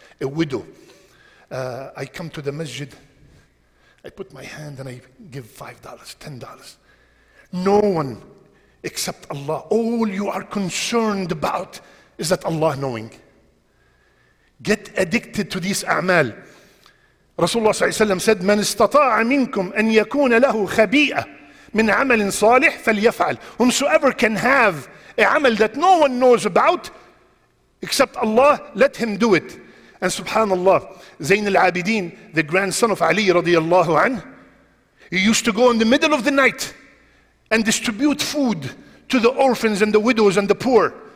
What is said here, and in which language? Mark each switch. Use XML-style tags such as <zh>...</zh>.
<en>A widow. I come to the masjid. I put my hand and I give $5, $10. No one except Allah. All you are concerned about is that Allah knowing. Get addicted to these a'mal.</en> <ar>Rasulullah sallallahu alayhi wa said, من استطاع منكم أن يكون له خبيئة من عمل صالح فليفعل.</ar> <en>Whomsoever can have a amal that no one knows about except Allah, let him do it. And subhanallah, Zain al-Abidin, the grandson of Ali radiallahu anh, he used to go in the middle of the night and distribute food to the orphans and the widows and the poor.</en>